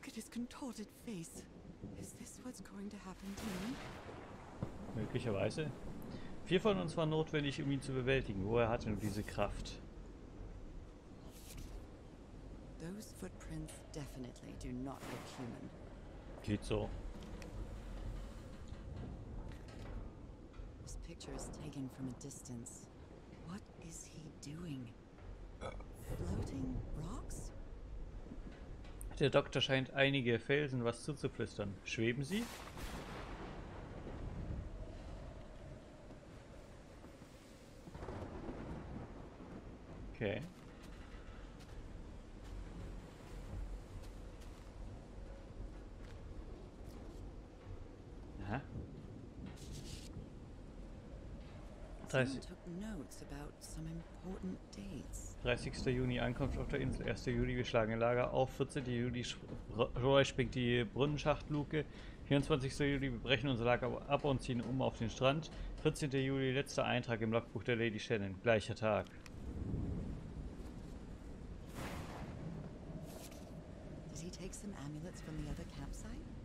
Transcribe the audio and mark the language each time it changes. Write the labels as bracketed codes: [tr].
[en] Contorted face. Is this what's going to happen to me? [de] Möglicherweise. Vier von uns waren notwendig, um ihn zu bewältigen. Woher hat er nun diese Kraft? [en] Those footprints definitely do not look human. [de] Geht so. [en] This picture is taken from a distance. What is he doing? Floating rocks? [de] Der Doktor scheint einige Felsen was zuzuflüstern. Schweben sie? Okay. [en] Took notes about some important dates. [de] 30. Juni Ankunft auf der Insel, 1. Juli wir schlagen Lager auf, 14. Juli springt die Brunnenschachtluke, 24. Juli wir brechen unser Lager ab und ziehen um auf den Strand, 14. Juli letzter Eintrag im Logbuch der Lady Shannon, gleicher Tag. [en] Did he take some amulets from the other campsite?